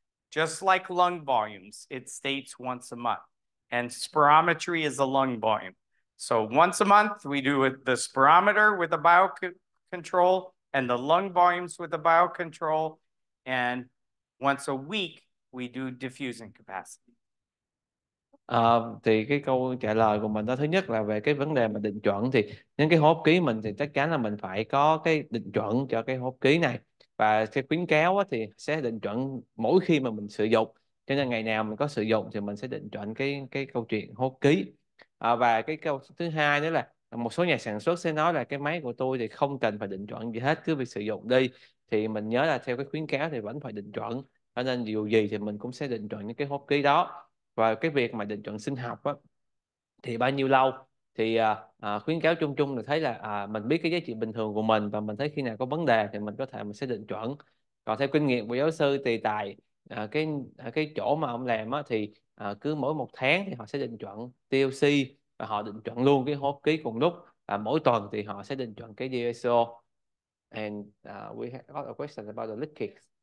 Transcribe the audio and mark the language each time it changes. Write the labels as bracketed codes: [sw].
[en] Just like lung volumes, it states once a month. And spirometry is a lung volume. So once a month, we do the spirometer with the biocontrol and the lung volumes with the biocontrol. And once a week, we do diffusing capacity. [vi] Thì cái câu trả lời của mình đó, thứ nhất là về cái vấn đề mà định chuẩn, thì những cái hộp ký mình thì chắc chắn là mình phải có cái định chuẩn cho cái hộp ký này. Và cái khuyến cáo thì sẽ định chuẩn mỗi khi mà mình sử dụng. Cho nên ngày nào mình có sử dụng thì mình sẽ định chuẩn cái câu chuyện hộp ký. Và cái câu thứ hai nữa là một số nhà sản xuất sẽ nói là cái máy của tôi thì không cần phải định chuẩn gì hết, cứ việc sử dụng đi. Thì mình nhớ là theo cái khuyến cáo thì vẫn phải định chuẩn. Cho nên dù gì thì mình cũng sẽ định chuẩn những cái hộp ký đó. Và cái việc mà định chuẩn sinh học á, thì bao nhiêu lâu? Thì khuyến cáo chung chung là thấy là mình biết cái giá trị bình thường của mình và mình thấy khi nào có vấn đề thì mình có thể mình sẽ định chuẩn. Còn theo kinh nghiệm của giáo sư thì tại cái chỗ mà ông làm á, thì cứ mỗi một tháng thì họ sẽ định chuẩn TLC và họ định chuẩn luôn cái hộp ký cùng lúc, và mỗi tuần thì họ sẽ định chuẩn cái DSO. [en] And we have got a question about the leakage.